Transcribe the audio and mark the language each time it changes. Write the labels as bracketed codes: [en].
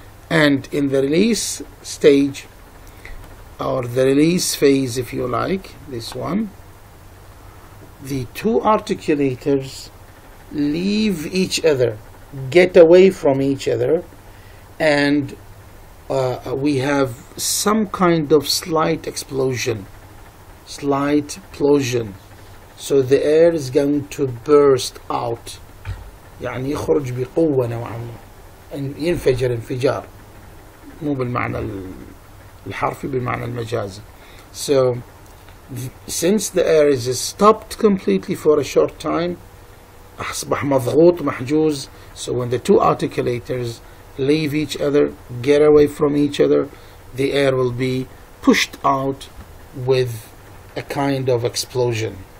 [en] And in the release stage, or the release phase, if you like, this one, the two articulators leave each other, get away from each other, and we have some kind of slight explosion, slight plosion. So the air is going to burst out. [ar] يعني يخرج بقوة نوعا ما ينفجر انفجار مو بالمعنى الحرفي بالمعنى المجازي. [en] So since the air is stopped completely for a short time, [ar] أصبح مضغوط محجوز. [en] So when the two articulators leave each other, get away from each other, the air will be pushed out with a kind of explosion.